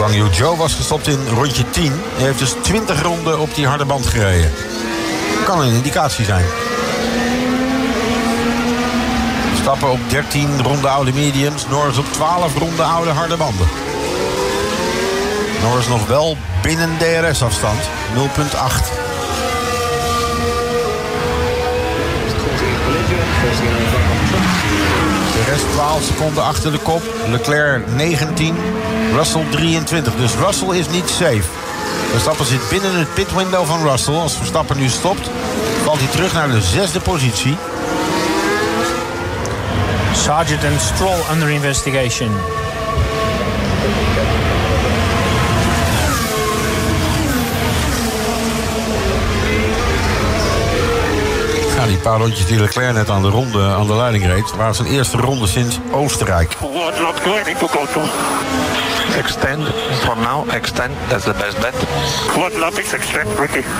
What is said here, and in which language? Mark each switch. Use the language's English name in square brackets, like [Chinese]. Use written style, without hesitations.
[Dutch] Joe was gestopt in rondje 10. Hij heeft dus 20 ronden op die harde band gereden. Kan een indicatie zijn. Stappen op 13 ronde oude mediums. Norris op 12 ronde oude harde banden. Norris nog wel binnen DRS afstand. 0,8. De Perez 12 seconden achter de kop. Leclerc 19. Russell 23. Dus Russell is niet safe. Verstappen zit binnen het pitwindow van Russell. Als Verstappen nu stopt, valt hij terug naar de zesde positie. [English] Sergeant and Stroll under investigation. [Dutch] Ja, die paar rondjes die Leclerc net aan de ronde aan de leiding reed, waren zijn eerste ronde sinds Oostenrijk. [English] Extend for now, extend, that's the best bet. What lap is extend, Ricky?